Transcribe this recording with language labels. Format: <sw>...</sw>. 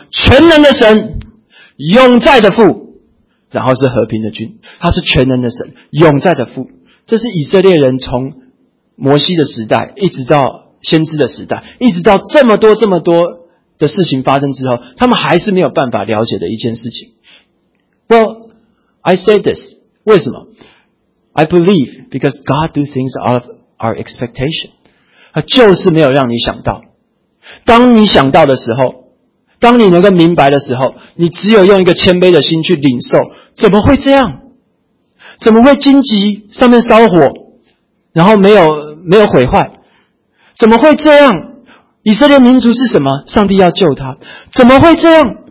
<zh>全能的神、永在的父，然后是和平的君。他是全能的神、永在的父。这是以色列人从摩西的时代，一直到先知的时代，一直到这么多这么多的事情发生之后，他们还是没有办法了解的一件事情。</zh> <en>Well, I say this.</en> <zh>为什么？</zh> <en>I believe because God do things out of our expectation.</en> <zh>他就是没有让你想到。当你想到的时候，当你能够明白的时候，你只有用一个谦卑的心去领受，怎么会这样？怎么会荆棘上面烧火，然后没有毁坏？怎么会这样？以色列民族是什么？上帝要救他。怎么会这样？</zh>